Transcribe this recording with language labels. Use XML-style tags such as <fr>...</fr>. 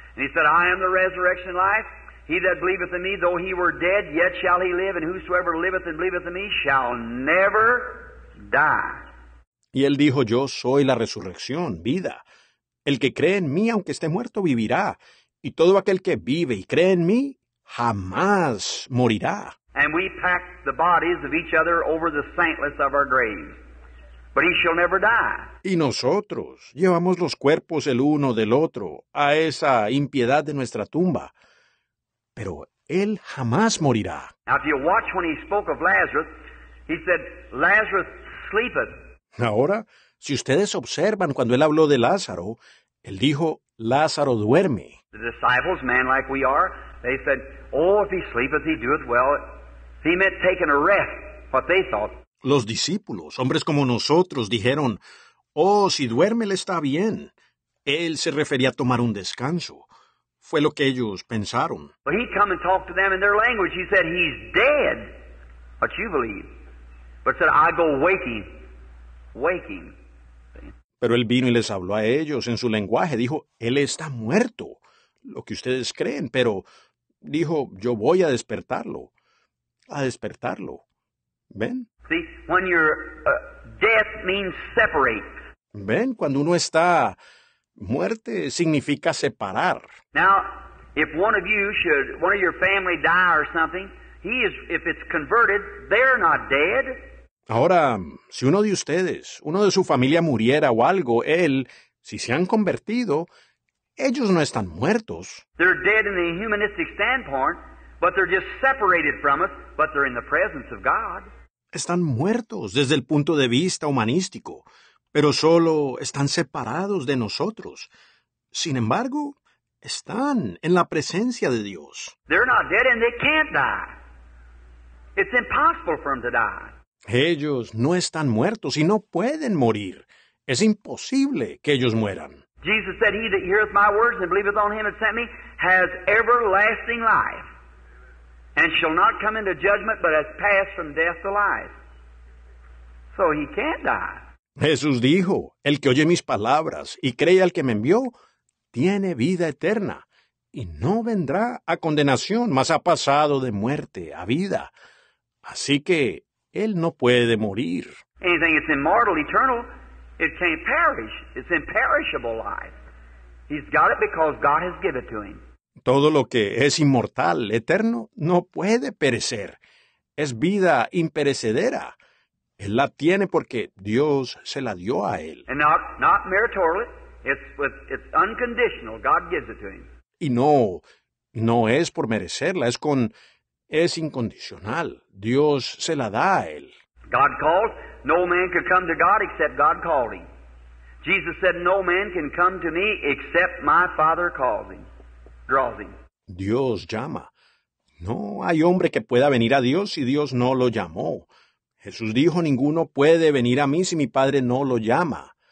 <en>And he said, I am the resurrection life. He that believeth in me, though he were dead, yet shall he live, and whosoever liveth and believeth in me shall never die.</en> <es>Y él dijo, yo soy la resurrección, vida. El que cree en mí, aunque esté muerto, vivirá. Y todo aquel que vive y cree en mí, jamás morirá.</es> <en>And we pack the bodies of each other over the saintless of our graves. But he shall never die.</en> <es>Y nosotros llevamos los cuerpos el uno del otro a esa impiedad de nuestra tumba. Pero él jamás morirá.</es> <en>Now if you watch when he spoke of Lazarus, he said, Lazarus sleepeth.</en> <es>Ahora, si ustedes observan cuando él habló de Lázaro, él dijo, Lázaro duerme.</es> <en>The disciples, man like we are, they said, oh, if he sleepeth, he doeth well. He meant taking a rest, what they thought.</en> <es>Los discípulos, hombres como nosotros, dijeron, oh, si duerme, le está bien. Él se refería a tomar un descanso. Fue lo que ellos pensaron.</es> <en>But he'd come and talk to them in their language. He said, he's dead, what you believe. But said, I go waking, waking.</en> <es>Pero él vino y les habló a ellos en su lenguaje. Dijo, él está muerto, lo que ustedes creen. Pero dijo, yo voy a despertarlo, a despertarlo. ¿Ven?</es> <en>See, when your death means separate.</en> <es>¿Ven? Cuando uno está, muerte significa separar.</es> <en>Now, if one of you should, one of your family die or something, he is, if it's converted, they're not dead.</en> <es>Ahora, si uno de ustedes, uno de su familia muriera o algo, él, si se han convertido, ellos no están muertos.</es> <en>They're dead in the humanistic standpoint, but they're just separated from us, but they're in the presence of God.</en> <es>Están muertos desde el punto de vista humanístico, pero solo están separados de nosotros. Sin embargo, están en la presencia de Dios.</es> <en>They're not dead and they can't die. It's impossible for them to die.</en> <es>Ellos no están muertos y no pueden morir. Es imposible que ellos mueran.</es> <en>Jesus said, he that heareth my words and believeth on him that sent me has everlasting life and shall not come into judgment but has passed from death to life. So he can't die.</en> <es>Jesús dijo, el que oye mis palabras y cree al que me envió tiene vida eterna y no vendrá a condenación, mas ha pasado de muerte a vida. Así que él no puede morir.</es> <en>Anything that's immortal, eternal, it can't perish. It's imperishable life. He's got it because God has given it to him.</en> <es>Todo lo que es inmortal, eterno, no puede perecer. Es vida imperecedera. Él la tiene porque Dios se la dio a él.</es> <en>And not meritorious. It's unconditional. God gives it to him.</en> <es>Y no, no es por merecerla. Es incondicional. Dios se la da a él.</es> <en>God called. No man could come to God except God called him. Jesus said, no man can come to me except my Father calls him, draws him.</en> <es>Dios llama. No hay hombre que pueda venir a Dios si Dios no lo llamó. Jesús dijo, ninguno puede venir a mí si mi Padre no lo llama.</es>